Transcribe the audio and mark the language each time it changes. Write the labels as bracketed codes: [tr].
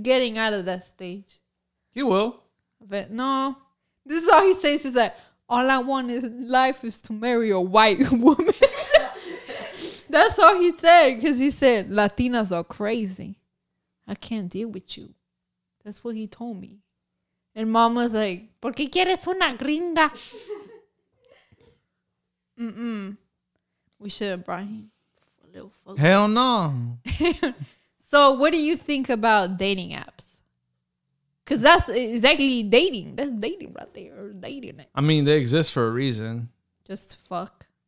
[en] getting out of that stage. He will. But no. This is all he says. He's like, all I want in life is to marry a white woman. That's all he said, because he said, Latinas are crazy. I can't deal with you. That's what he told me. And mom was like, [es] ¿Por qué quieres una gringa? [en] Mm-mm. We should have brought him. A little fuck. Hell no. So what do you think about dating apps? Because that's exactly dating. That's dating right there. Dating apps. I mean, they exist for a reason. Just to fuck.